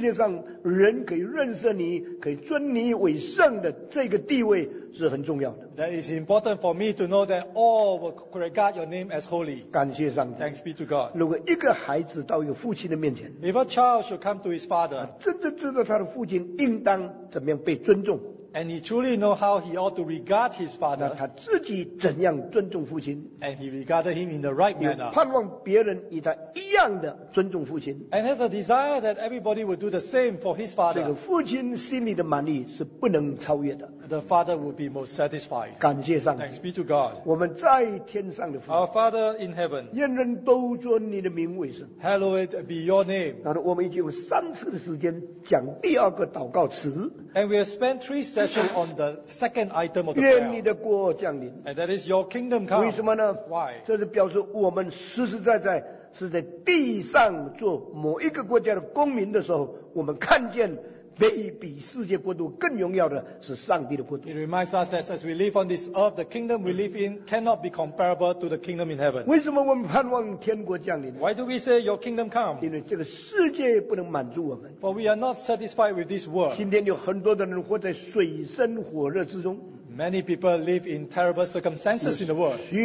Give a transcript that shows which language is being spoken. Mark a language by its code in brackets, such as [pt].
[zh] 你在世界上人可以认识你, 可以尊你为圣的这个地位是很重要的。 [en] That is important for me to know that all will regard your name as holy. [zh] 感谢上帝。 [en] Thanks be to God. [zh] 如果一个孩子到一个父亲的面前, [en] if a child should come to his father, [zh] 真正知道他的父亲应当怎么样被尊重, [en] and he truly know how he ought to regard his father, [zh] 那他自己怎样尊重父亲, [en] and he regarded him in the right manner, [zh] 盼望别人与他一样的尊重父亲, [en] and has a desire that everybody would do the same for his father, [zh] 这个父亲心里的满意是不能超越的。 [en] The father would be most satisfied. [zh] 感谢上帝。 [en] Thanks be to God. [zh] 我们在天上的父, [en] our father in heaven, [zh] 愿人都尊你的名为圣, [en] hallowed be your name. [zh] 然后我们已经有三次的时间讲第二个祷告词, [en] and we have spent three session on the second item of the prayer. [zh] 愿你的国降临, [en] and that is your kingdom come. [zh] 为什么呢? [en] Why? [zh] 这是表示我们实实在在, 是在地上做某一个国家的公民的时候, 我们看见, 比世界国度更荣耀的是上帝的国度。 [en] It reminds us that as we live on this earth, the kingdom we live in cannot be comparable to the kingdom in heaven. [zh] 为什么我们盼望天国降临? [en] Why do we say your kingdom come? [zh] 因为这个世界不能满足我们。 [en] For we are not satisfied with this world. [zh] 今天有很多的人活在水深火热之中。 [en] Many people live in terrible circumstances in the world.